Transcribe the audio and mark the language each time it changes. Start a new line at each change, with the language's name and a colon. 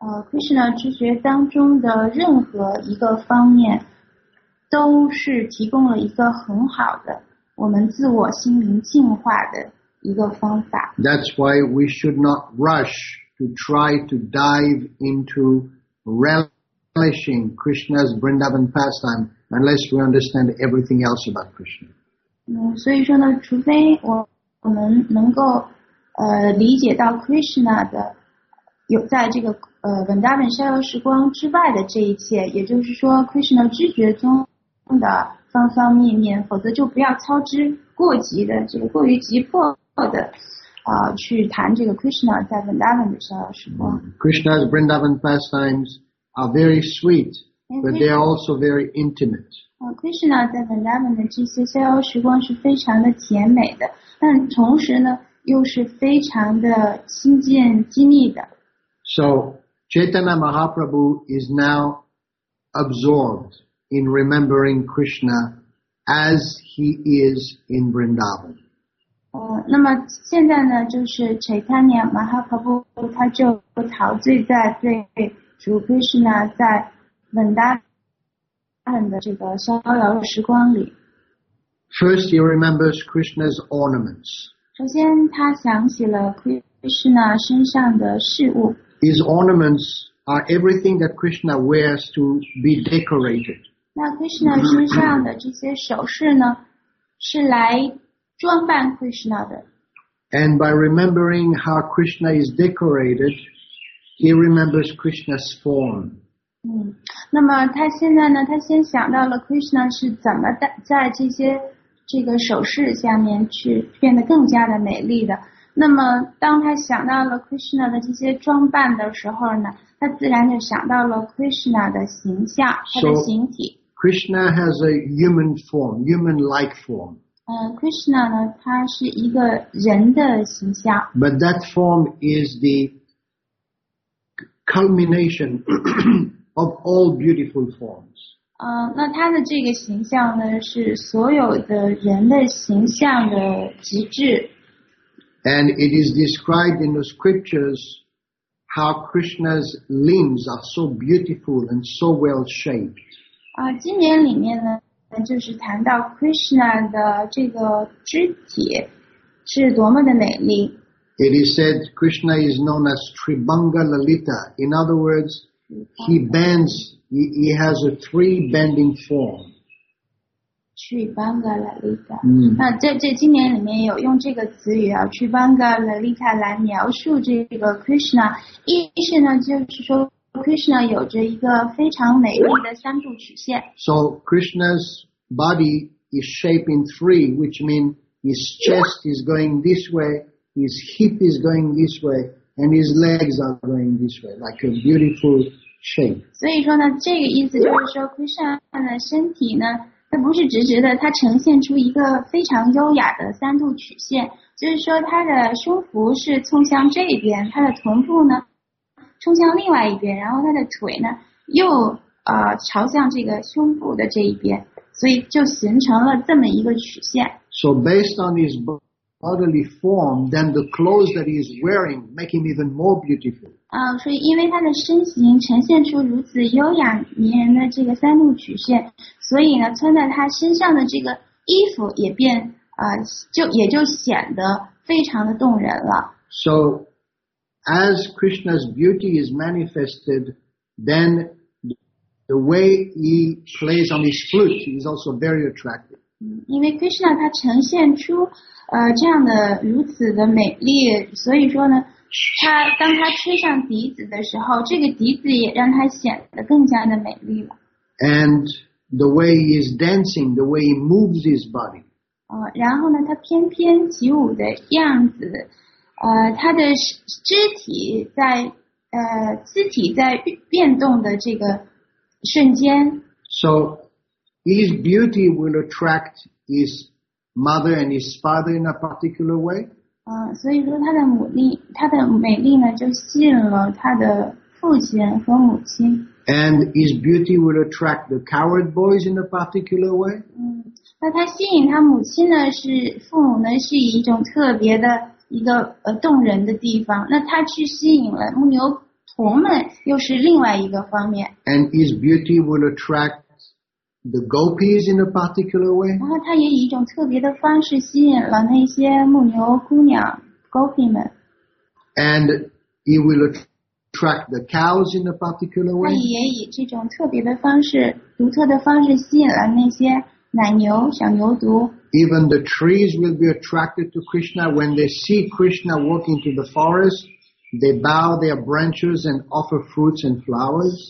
Chinese: Krishna 之学当中的任何一个方面，都是提供了一个很好的我们自我心灵净化的一个方法。
English: That's why we should not rush to try to dive into relishing Krishna's Vrindavan pastime unless we understand everything else about Krishna.
Chinese: 所以说呢，除非我们能够理解到 Krishna 的有在这个文达本逍遥时光之外的这一切，也就是说 Krishna 知觉中的方方面面，否则就不要操之过急的这个过于急迫的去谈这个 Krishna 在文达本的逍遥时光。
English: Krishna's Vrindavan pastimes are very sweet, but they are also very intimate.
Chinese: Krishna 在文达本的这些逍遥时光是非常的甜美的，但同时呢又是非常的亲近机密的。
English: So, Chaitanya Mahaprabhu is now absorbed in remembering Krishna as he is in Vrindavan.
Chinese: 那么现在呢就是 Chaitanya Mahaprabhu 他就陶醉在对主 Krishna 在 Vrindavan 的这个逍遥时光里。
English: First, he remembers Krishna's ornaments.
Chinese: 首先他想起了 Krishna 身上的饰物。
English: His ornaments are everything that Krishna wears to be decorated.
Chinese: 那 Krishna 身上的这些首饰呢是来装扮 Krishna 的。
English: And by remembering how Krishna is decorated, he remembers Krishna's form.
Chinese: 那么他现在呢他先想到了 Krishna 是怎么在这些这个首饰下面去变得更加的美丽的。那么当他想到了 Krishna 的这些装扮的时候呢他自然就想到了 Krishna 的形象、
English: so,
Chinese: 他的形体。
English: Krishna has a human form, human-like form.
Chinese: Krishna 呢他是一个人的形象。
English: But that form is the culmination of all beautiful forms.
Chinese: 那他的这个形象呢是所有的人的形象的极致。
English: And it is described in the scriptures how Krishna's limbs are so beautiful and so well shaped.
Chinese: 经典里面呢就是谈到 Krishna 的这个肢体是多么的美丽。
English: It is said Krishna is known as Tribhanga Lalita. In other words, he bends, he has a three bending form.
Chinese: Tribhanga Lalita. 那这经典里面有用这个词语啊 ,Tribhanga Lalita 来描述这个 Krishna。意思呢就是说 Krishna 有着一个非常美丽的三度曲线。
English: So, Krishna's body is shaped in three, which means his chest is going this way, his hip is going this way, and his legs are going this way, like a beautiful shape.
Chinese: 所以说呢这个意思就是说 Krishna 的身体呢它不是直直的，它呈现出一个非常优雅的三度曲线，就是说它的胸脯是冲向这边，它的臀部呢冲向另外一边，然后它的腿呢又朝向这个胸部的这一边，所以就形成了这么一个曲线。
English: So based on his bodily form, then the clothes that he is wearing make him even more beautiful.
Chinese: 所以因为他的身形呈现出如此优雅迷人的这个三度曲线，所以呢，穿在他身上的这个衣服也变就显得非常的动人了。
English: So, as Krishna's beauty is manifested, then the way he plays on his flute is also very attractive.
Chinese: 因为 Krishna 他呈现出这样的如此的美丽，所以说呢他当他吹上笛子的时候，这个笛子也让他显得更加的美丽了。
English: And the way he is dancing, the way he moves his body.
Chinese: 然后呢他翩翩起舞的样子，他的肢体在变动的这个瞬间。
English: So, his beauty will attract his mother and his father in a particular way.
Chinese: 所以说他的母力他的美丽呢就吸引了他的父亲和母亲。
English: And his beauty will attract the coward boys in a particular way.
Chinese: 那他吸引他母亲呢是父母呢是以一种特别的一个动人的地方。那他去吸引了牧牛童们又是另外一个方面。
English: And his beauty will attract the gopis in a particular way.
Chinese: 然后他也以一种特别的方式吸引了那些牧牛姑娘 gopi 们。
English: And he will attract the cows in a particular way.
Chinese: 他也以这种特别的方式独特的方式吸引了那些奶牛,
English: Even the trees will be attracted to Krishna. When they see Krishna walking through the forest, they bow their branches and offer fruits and flowers.